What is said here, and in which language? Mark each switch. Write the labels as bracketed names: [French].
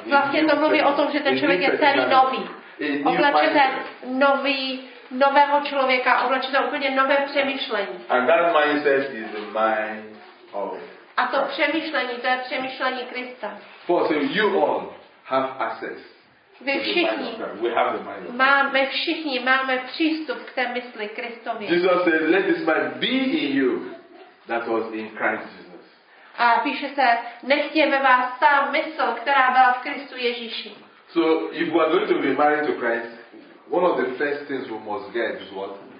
[Czech] Vlastně to mluví o tom, že ten člověk je celý nový. Oblečete nový nového člověka, oblečete úplně nové přemýšlení. [English] And that mindset is the mind of. [Czech] A to přemýšlení, to je přemýšlení Krista. [English] For so you all have access. [Czech] Vy všichni, [English] we have the mind of God. [Czech] Máme všichni máme přístup k té mysli Kristově. [English] Jesus said, let this mind be in you. That was in Christ Jesus. [Czech] A píše se, nechť je ve vás ta mysl, která byla v Kristu Ježíši. [English] So if we are going to be married to Christ, one of the first things we must get is what?